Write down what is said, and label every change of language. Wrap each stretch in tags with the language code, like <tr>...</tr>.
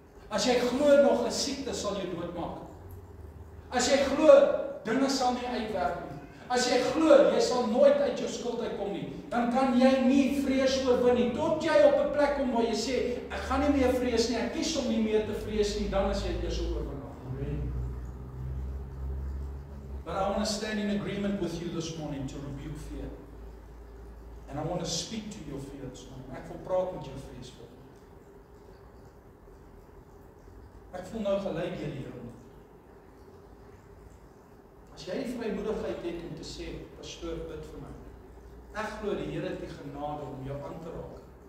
<af>As jy glo nog 'n siekte sal jou doodmaak. As jy glo, dinge sal nie uitwerk nie. As jy glo, jy sal nooit uit jou skuld uitkom nie. Dan kan jy nie vrees oorwin nie. Tot jy op 'n plek kom waar jy sê, ek gaan nie meer vrees nie, ek kies om nie meer te vrees nie, dan is jy eers oorwin.</af> <en>But I want to stand in agreement with you this morning to rebuke fear. And I want to speak to your fear this morning.</en> <af>Ek wil praat met jou vrees. Ek voel nou gelyk hier, Here. As jy die vrymoedigheid het om te sê, pastoor, bid vir my. Ek glo die Here het die genade om jou aan te raak.</af>